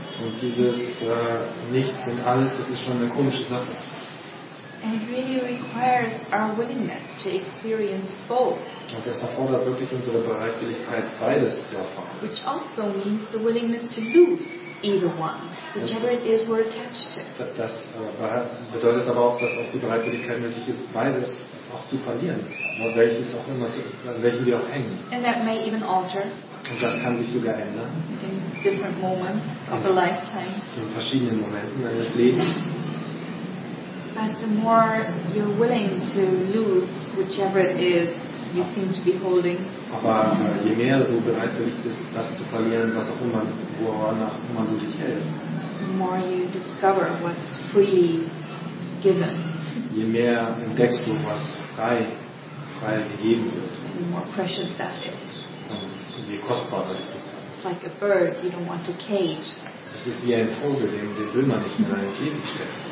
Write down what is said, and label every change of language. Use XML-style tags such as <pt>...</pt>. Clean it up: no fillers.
<de>Und dieses Nichts und alles, das ist schon eine komische Sache.</de> <en>And it really requires our willingness to experience both.</en> <de>Und das erfordert wirklich unsere Bereitwilligkeit, beides zu erfahren.</de> <en>Which also means the willingness to lose either one, whichever it is we're attached to.</en> <de>Das bedeutet aber auch, dass auch die Bereitwilligkeit nötig ist, beides auch zu verlieren, an welches auch immer, an welchem wir auch hängen.</de> <en>And that may even alter.</en> <de>Und das kann sich sogar ändern.</de> <en>In different moments of a lifetime.</en> <de>In verschiedenen Momenten eines Lebens.</de> <en>But the more you're willing to lose whichever it is you seem to be holding.</en> <de>Aber je mehr du bereit bist, das zu verlieren, was auch immer, wonach immer du dich hältst.</de> <en>The more you discover what's freely given.</en> <de>Je mehr entdeckst du, was frei gegeben wird.</de> <en>The more precious that is.</en> <de>Und je kostbarer ist das.</de> <en>It's like a bird, you don't want a cage.</en> <de>Das ist wie ein Vogel, den will man nicht in einen Käfig stellen.</de>